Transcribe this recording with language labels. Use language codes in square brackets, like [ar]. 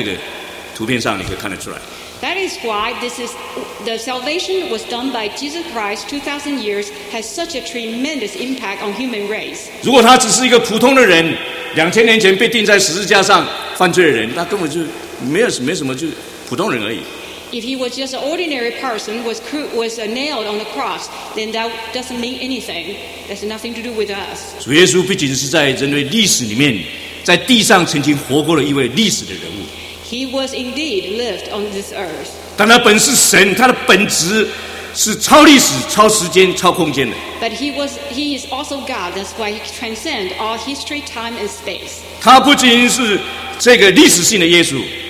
[zh] 上他被钉的十字架为我们死，他埋葬复活，完成了救恩。为什么有永恒的救赎的功效？就在这个图片上，你可以看得出来。That [en] is why this is the salvation was done by Jesus Christ 2,000 years has such a tremendous impact on human race. [zh] 如果他只是一个普通的人，2000年前被钉在十字架上犯罪的人，那根本就没有什么，就普通人而已。 [en] If he was just an ordinary person, was nailed on the cross, then that doesn't mean anything. That's nothing to do with us. [zh] 主耶稣不仅是在人类历史里面，在地上曾经活过了一位历史的人物。 [en] He was indeed lived on this earth. [zh] 但他本是神，他的本质是超历史、超时间、超空间的。 [en] But he is also God. That's why he transcends all history, time, and space. [zh] 他不仅是这个历史性的耶稣。